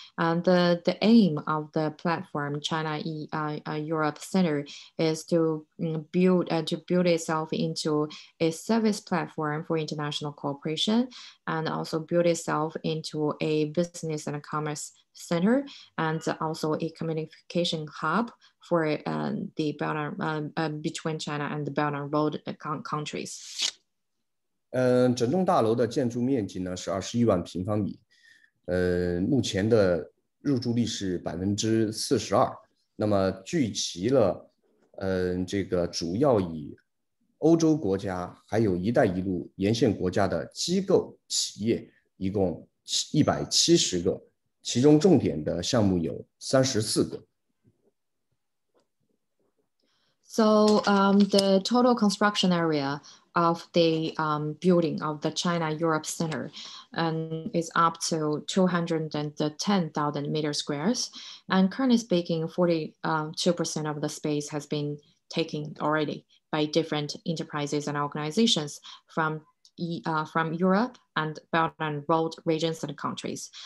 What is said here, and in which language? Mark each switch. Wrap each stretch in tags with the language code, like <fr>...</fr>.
<en>And the aim of the platform China Europe Center is to build itself into a service platform for international cooperation, and also build itself into a business and a commerce center, and also a communication hub for the Belt and between China and the Belt and Road countries.</en> <zh>整栋大楼的建筑面积呢是 21万平方米， 目前的入住率是 42%， 那么聚集了这个主要以欧洲国家还有一带一路沿线国家的机构企业一共170个， 其中重点的项目有34个。</zh> <en>So the total construction area of the building of the China Europe Center is up to 210,000 meters squares. And currently speaking, 42% of the space has been taken already by different enterprises and organizations from Europe and Belt and Road regions and countries.</en>